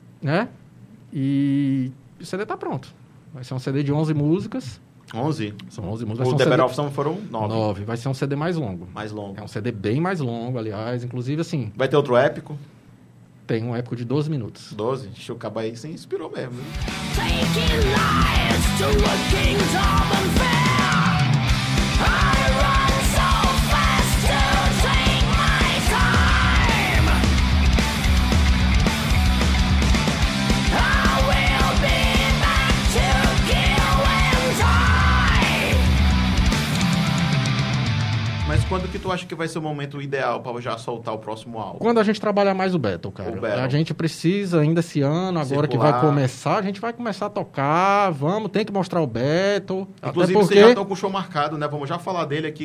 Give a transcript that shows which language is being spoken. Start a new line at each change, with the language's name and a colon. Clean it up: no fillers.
Portuguese: Né? E o CD tá pronto. Vai ser um CD de 11 músicas. 11? São 11 músicas. O The Better Off Song foram 9. 9. Vai ser um CD mais longo. Mais longo. É um CD bem mais longo, aliás, inclusive assim... Vai ter outro épico? Tem um épico de 12 minutos. 12? Deixa eu acabar aí, você inspirou mesmo.
English: Faking lies to a kingdom unfair. I run so fast to take my time. I will be back to kill and die.
Portuguese: Mas quando que tu acha que vai ser o momento ideal pra já soltar o próximo álbum? Quando a gente trabalhar mais o Battle, cara. O Battle. A gente precisa ainda esse ano, agora circular. Que vai começar, a gente vai começar a tocar, vamos, tem que mostrar o Battle. Inclusive, até porque... vocês já estão com o show marcado, né? Vamos já falar dele aqui.